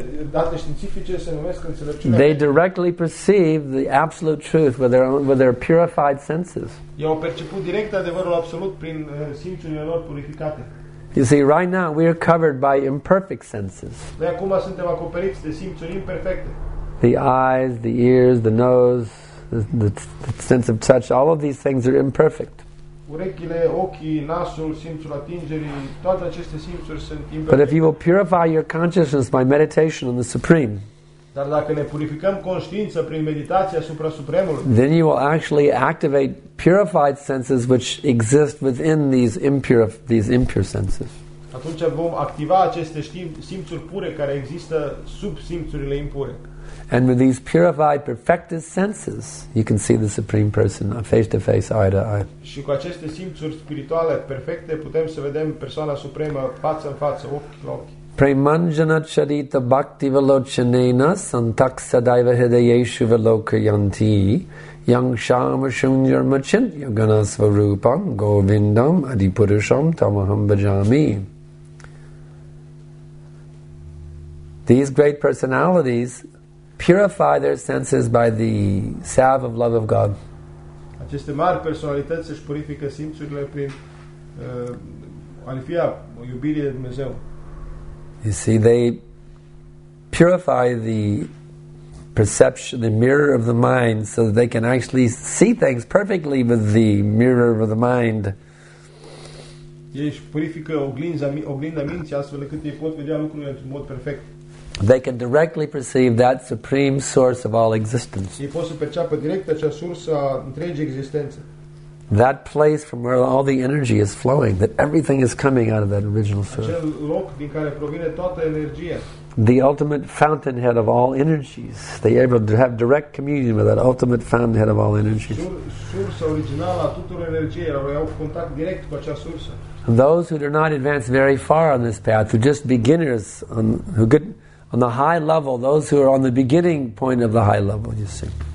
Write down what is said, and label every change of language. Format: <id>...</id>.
<ro>Date științifice se numesc înțelepciunea.</ro> <en>They directly perceive the absolute truth with their purified senses.</en> <ro>Ei au perceput direct adevărul absolut prin simțurile lor purificate.</ro> <en>You see, right now we are covered by imperfect senses.</en> <ro>Noi acum suntem acoperiți de simțuri imperfecte.</ro> <en>The eyes, the ears, the nose, the sense of touch, all of these things are imperfect.</en> <ro>Urechile, ochii, nasul, simțul atingerii, toate aceste simțuri sunt imperfecte.</ro> <en>But if you will purify your consciousness by meditation on the Supreme,</en> <ro>dar dacă ne purificăm conștiința prin meditația asupra Supremului,</ro> <en>then you will actually activate purified senses which exist within these impure senses.</en> <ro>Atunci vom activa aceste simțuri pure care există sub simțurile impure.</ro> <en>And with these purified, perfected senses, you can see the Supreme Person face to face, eye to eye.</en> <ro>Și cu aceste simțuri spirituale perfecte putem să vedem persoana supremă față în față, ochi la ochi.</ro> <sa>Premanjana charita bhakti valochanena santaksa daiva hridayeshu valokayanti yang shama shunyar machintya gana svarupam govindam adipurusham tamaham bhajami.</sa> <en>These great personalities purify their senses by the salve of love of God.</en> <ro>Aceste mari personalități își purifică simțurile prin alifia, iubirii de Dumnezeu.</ro> <en>You see, they purify the perception, the mirror of the mind, so that they can actually see things perfectly with the mirror of the mind.</en> <ro>Ei își purifică oglinda minții astfel încât ei pot vedea lucrurile într-un mod perfect.</ro> <en>They can directly perceive that supreme source of all existence.</en> <ro>Ei pot să perceapă direct acea sursă a întregii existențe.</ro> <en>That place from where all the energy is flowing, that everything is coming out of that original source.</en> <ro>Acel loc din care provine toată energia.</ro> <en>The ultimate fountainhead of all energies. They are able to have direct communion with that ultimate fountainhead of all energies.</en> <ro>Sursa originală a tuturor energiei, au contact direct cu acea sursă.</ro> <en>Those who do not advance very far on this path, who just beginners, on the high level, those who are on the beginning point of the high level, you see.</en>